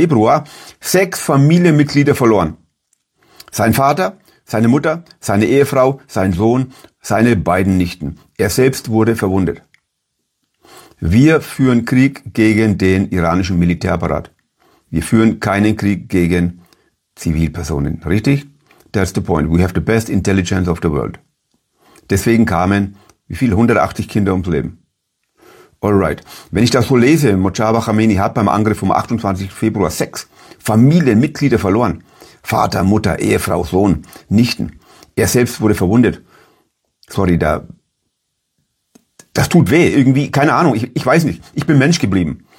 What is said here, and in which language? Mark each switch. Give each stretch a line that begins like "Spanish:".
German: Februar 6 Familienmitglieder verloren. Sein Vater, seine Mutter, seine Ehefrau, sein Sohn, seine beiden Nichten. Er selbst wurde verwundet. Wir führen Krieg gegen den iranischen Militärapparat. Wir führen keinen Krieg gegen Zivilpersonen. Richtig?
English: That's the point. We have the best intelligence of the world.
German: Deswegen kamen, wie viel? 180 Kinder ums Leben.
English: Alright.
German: Wenn ich das so lese, Mojaba Khamenei hat beim Angriff vom 28. Februar 6 Familienmitglieder verloren. Vater, Mutter, Ehefrau, Sohn, Nichten. Er selbst wurde verwundet. Sorry, das tut weh. Irgendwie, keine Ahnung. Ich weiß nicht. Ich bin Mensch geblieben.